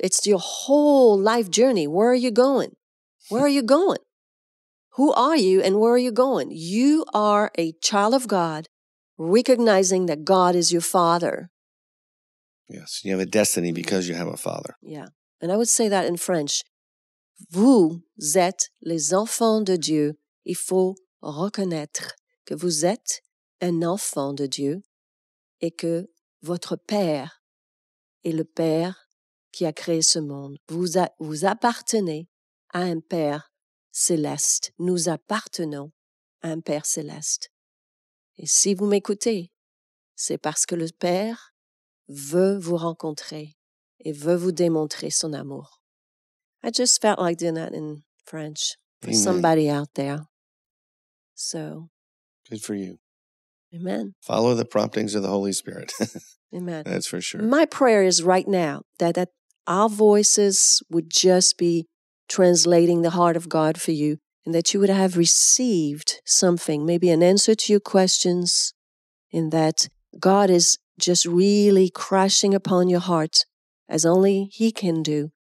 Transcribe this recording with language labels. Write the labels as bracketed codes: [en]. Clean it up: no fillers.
[en] It's your whole life journey. Where are you going? Where are you going? Who are you and where are you going? You are a child of God, recognizing that God is your Father. Yes, you have a destiny because you have a father. Yeah, and I would say that in French. [fr] Vous êtes les enfants de Dieu. Il faut reconnaître que vous êtes un enfant de Dieu et que votre père est le père qui a créé ce monde. Vous appartenez à un père céleste. Nous appartenons à un père céleste. Et si vous m'écoutez, c'est parce que le père veut vous rencontrer et veut vous démontrer son amour. [en] I just felt like doing that in French for Amen. Somebody out there. So. Good for you. Amen. Follow the promptings of the Holy Spirit. Amen. That's for sure. My prayer is right now that our voices would just be translating the heart of God for you and that you would have received something, maybe an answer to your questions, in that God is just really crashing upon your heart, as only he can do,